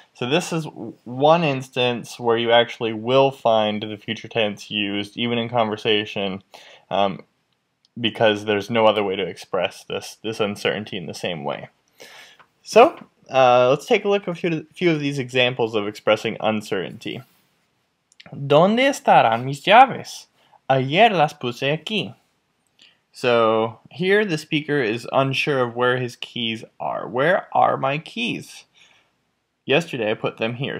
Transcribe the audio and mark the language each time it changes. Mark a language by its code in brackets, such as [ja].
[en] So this is one instance where you actually will find the future tense used even in conversation because there's no other way to express this uncertainty in the same way. So let's take a look at a few of these examples of expressing uncertainty. [es] ¿Dónde estarán mis llaves? Ayer las puse aquí. [en] So here the speaker is unsure of where his keys are. Where are my keys? Yesterday I put them here.